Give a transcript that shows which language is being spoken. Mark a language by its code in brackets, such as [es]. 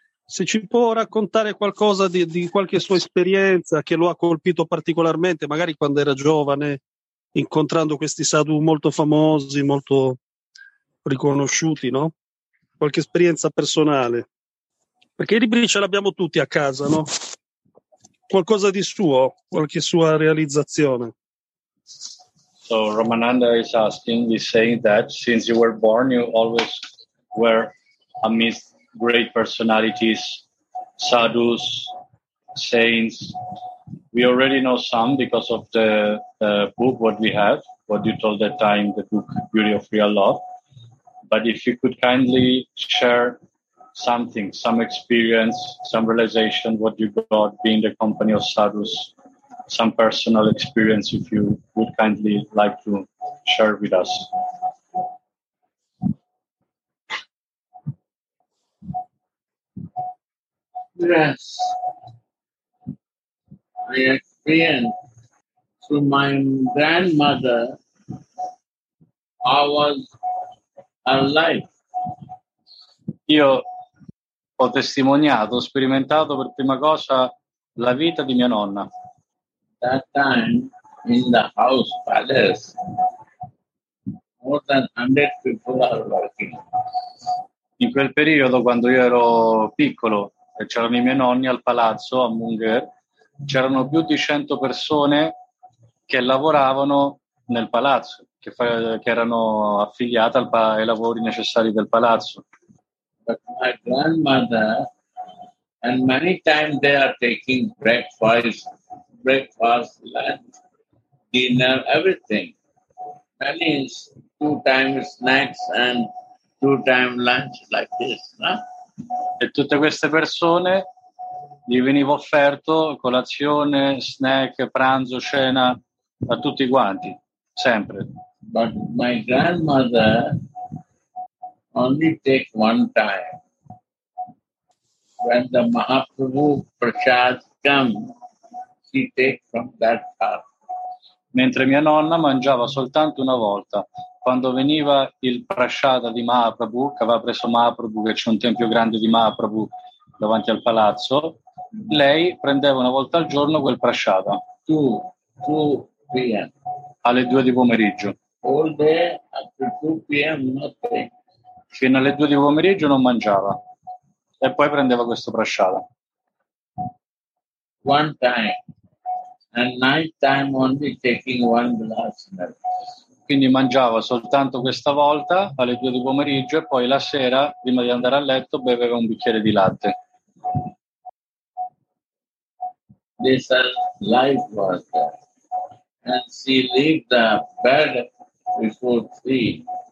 [it] Se ci può raccontare qualcosa di qualche sua esperienza che lo ha colpito particolarmente, magari quando era giovane, incontrando questi sadhu molto famosi, molto riconosciuti, no? Qualche esperienza personale. Perché i libri ce l'abbiamo tutti a casa, no? Qualcosa di suo, qualche sua realizzazione. [en] So Ramananda is asking, he's saying that since you were born, you always were amidst great personalities, sadhus, saints. We already know some because of the book what we have, what you told that time, the book Beauty of Real Love. But if you could kindly share something, some experience, some realization, what you got being the company of sadhus, some personal experience, if you would kindly like to share with us. Yes, I experienced through my grandmother, I was alive. [it] Io ho testimoniato, ho sperimentato per prima cosa la vita di mia nonna. [en] That time in the house palace, more than 100 people are working. [it] In quel periodo, quando io ero piccolo, c'erano i miei nonni al palazzo a Munger, c'erano più di 100 persone che lavoravano nel palazzo, che erano affiliate ai lavori necessari del palazzo. [en] But my grandmother, and many times they are taking breakfast, lunch, dinner, everything. That means two times snacks and two times lunch like this, no? [it] E tutte queste persone gli veniva offerto colazione, snack, pranzo, cena a tutti quanti, sempre. [en] But my grandmother only take one time. When the Mahaprabhu Prasad come, she take from that part. [it] Mentre mia nonna mangiava soltanto una volta. Quando veniva il prasciada di Mahaprabhu, che aveva preso Mahaprabhu, che c'è un tempio grande di Mahaprabhu davanti al palazzo, lei prendeva una volta al giorno quel prasciada. [en] Two p.m. [it] Alle 2 di pomeriggio. [en] All day after 2 p.m. nothing. [it] Fino alle 2 di pomeriggio non mangiava. E poi prendeva questo prasciada. [en] One time. And night time only taking one glass of milk. [it] Quindi mangiava soltanto questa volta alle 2 di pomeriggio e poi la sera, prima di andare a letto, beveva un bicchiere di latte. [en] This life was there. And she lived a bed before three.